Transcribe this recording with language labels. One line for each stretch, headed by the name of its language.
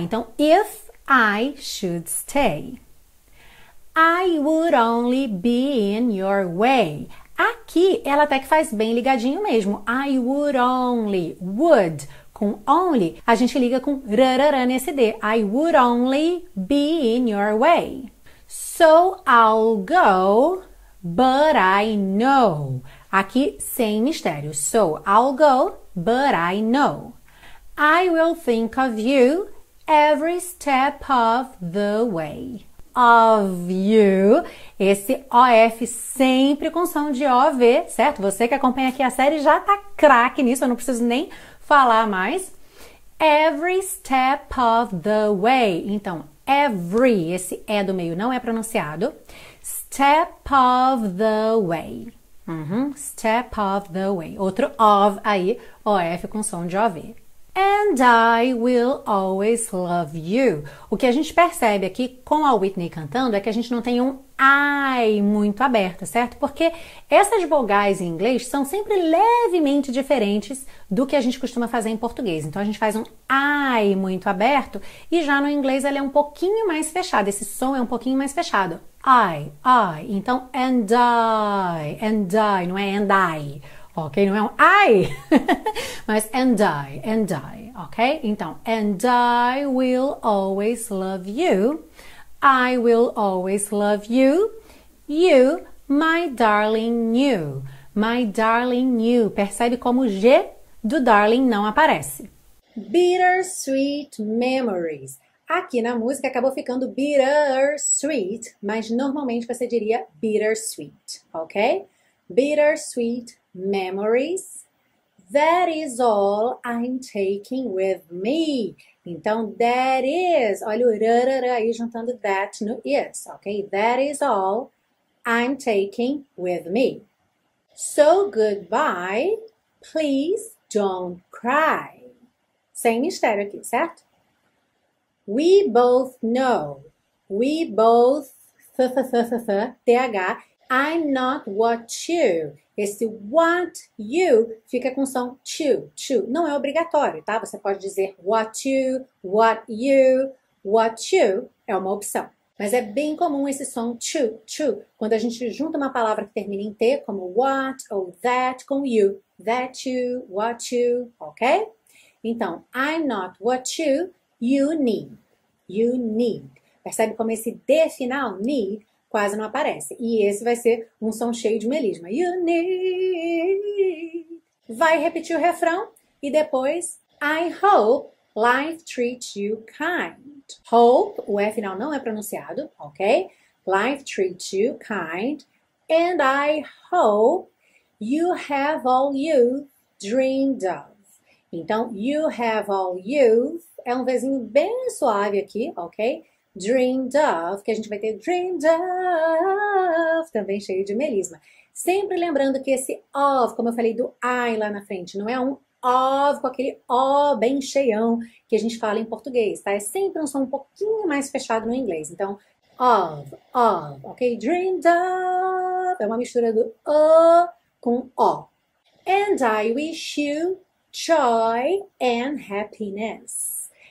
English: Então, if I should stay, I would only be in your way.
Portuguese: Aqui ela até que faz bem ligadinho mesmo.
English: I would only, would.
Portuguese: Com only, a gente liga com rarara nesse D.
English: I would only be in your way. So I'll go, but I know.
Portuguese: Aqui sem mistério.
English: So I'll go, but I know. I will think of you every step of the way. Of you,
Portuguese: esse OF sempre com som de OV, certo? Você que acompanha aqui a série já tá craque nisso, eu não preciso nem falar mais.
English: Every step of the way.
Portuguese: Então, every, esse E do meio não é pronunciado.
English: Step of the way. Step of the way.
Portuguese: Outro of aí, OF com som de OV.
English: And I will always love you.
Portuguese: O que a gente percebe aqui com a Whitney cantando é que a gente não tem um I muito aberto, certo? Porque essas vogais em inglês são sempre levemente diferentes do que a gente costuma fazer em português. Então a gente faz um I muito aberto e já no inglês ele é um pouquinho mais fechado. Esse som é um pouquinho mais fechado. I. Então and I. And I. Não é and I. Ok? Não é um I, mas and I, ok?
English: Então, and I will always love you, I will always love you, you, my darling, you, my darling, you.
Portuguese: Percebe como o G do darling não aparece.
English: Bittersweet memories.
Portuguese: Aqui na música acabou ficando bittersweet, mas normalmente você diria bittersweet, ok?
English: Bittersweet memories. That is all I'm taking with me.
Portuguese: Então, that is. Olha o rarara aí juntando that no is, ok?
English: That is all I'm taking with me. So goodbye, please don't cry.
Portuguese: Sem mistério aqui, certo?
English: We both know. We both. Th. I'm not what you.
Portuguese: Esse what you fica com som to, to. Não é obrigatório, tá? Você pode dizer
English: what you, what you, what you.
Portuguese: É uma opção. Mas é bem comum esse som to, to. Quando a gente junta uma palavra que termina em T, como what ou that com you.
English: That you, what you, ok? Então, I'm not what you, you need. You need.
Portuguese: Percebe como esse D final, need, quase não aparece. E esse vai ser um som cheio de melisma.
English: You need.
Portuguese: Vai repetir o refrão e depois,
English: I hope life treats you kind.
Portuguese: Hope, o E final não é pronunciado, ok?
English: Life treats you kind. And I hope you have all you dreamed of.
Portuguese: Então,
English: you have all youth,
Portuguese: é um vezinho bem suave aqui, ok? Dreamed of, que a gente vai ter dreamed of, também cheio de melisma. Sempre lembrando que esse of, como eu falei do I lá na frente, não é um of com aquele O bem cheião que a gente fala em português, tá? É sempre um som um pouquinho mais fechado no inglês. Então, of, ok? Dreamed of, é uma mistura do O com O.
English: And I wish you joy and happiness.